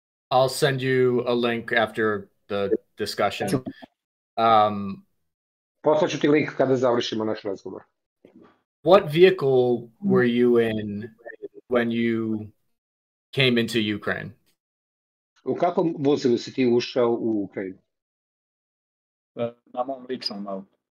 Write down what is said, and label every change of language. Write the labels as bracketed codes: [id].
[en] I'll send you a link after the discussion. [sr] Poslaću ti link kada završimo naš razgovor. [en] What vehicle were you in when you came into Ukraine? [sr] U kakvom vozilu si ti ušao u Ukrajinu? Na mom ličnom autu.